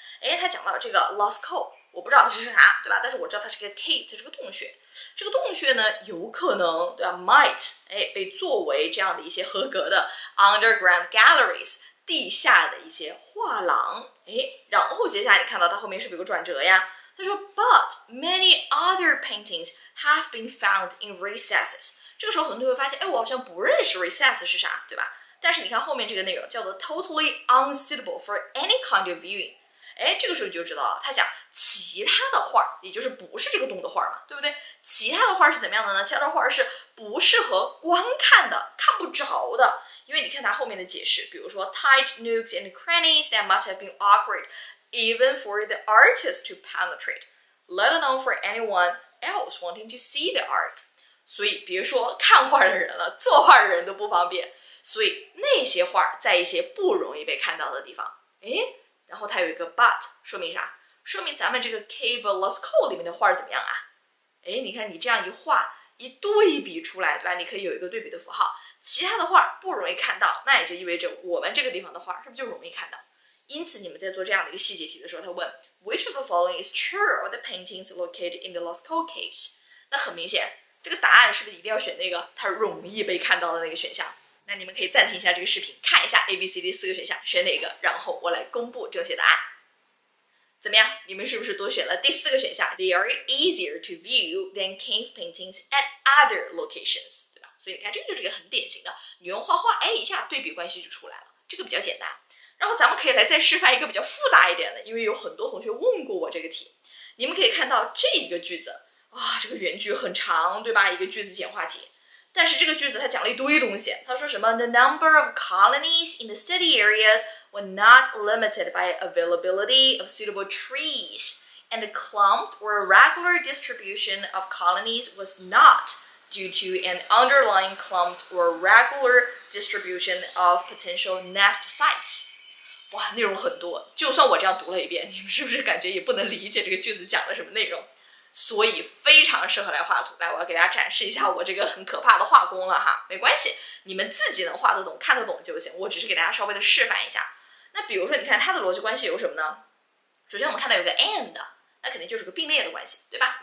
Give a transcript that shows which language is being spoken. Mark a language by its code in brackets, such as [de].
[zh] 哎，他讲到这个 Lascaux， 我不知道这是啥，对吧？但是我知道它是个 cave， 它是个洞穴。这个洞穴呢，有可能，对吧？ Might， 哎，被作为这样的一些合格的 [en] underground galleries， [zh] 地下的一些画廊。哎，然后接下来你看到它后面是不是有个转折呀？他说 [en] But many other paintings have been found in recesses。 [zh] 这个时候很多人会发现，哎，我好像不认识 recess 是啥，对吧？但是你看后面这个内容叫做 [en] totally unsuitable for any kind of viewing。 [zh] 哎，这个时候你就知道了，他讲其他的画，也就是不是这个洞的画嘛，对不对？其他的画是怎么样的呢？其他的画是不适合观看的，看不着的。因为你看他后面的解释，比如说 [en] tight nooks and crannies that must have been awkward even for the artist to penetrate, let alone for anyone else wanting to see the art。 [zh] 所以别说看画的人了，作画的人都不方便，所以那些画在一些不容易被看到的地方。诶，然后他有一个 but， 说明啥？说明咱们这个 Cave of Lascaux 里面的画怎么样啊？诶，你看你这样一画一对比出来，对吧？你可以有一个对比的符号，其他的画不容易看到，那也就意味着我们这个地方的画是不是就容易看到。因此你们在做这样的一个细节题的时候，他问 [en] Which of the following is true of the paintings located in the Lascaux caves？ [zh] 那很明显这个答案是不是一定要选那个它容易被看到的那个选项？那你们可以暂停一下这个视频，看一下 ABCD 四个选项选哪个，然后我来公布正确答案。怎么样，你们是不是多选了第四个选项？ [en] They are easier to view than cave paintings at other locations， [zh] 对吧？所以你看这个就是一个很典型的，你用画画，哎，一下对比关系就出来了，这个比较简单。然后咱们可以来再示范一个比较复杂一点的，因为有很多同学问过我这个题。你们可以看到这一个句子，哇，这个原句很长，对吧？一个句子简化题，但是这个句子它讲了一堆东西。它说什么 [en] ？The number of colonies in the study areas were not limited by availability of suitable trees, and a clumped or irregular distribution of colonies was not due to an underlying clumped or irregular distribution of potential nest sites。 [zh] 哇，内容很多，就算我这样读了一遍，你们是不是感觉也不能理解这个句子讲了什么内容？所以非常适合来画图。来，我要给大家展示一下我这个很可怕的画工了哈。没关系，你们自己能画得懂看得懂就行，我只是给大家稍微的示范一下。那比如说你看它的逻辑关系有什么呢？首先我们看到有个 and， 那肯定就是个并列的关系，对吧？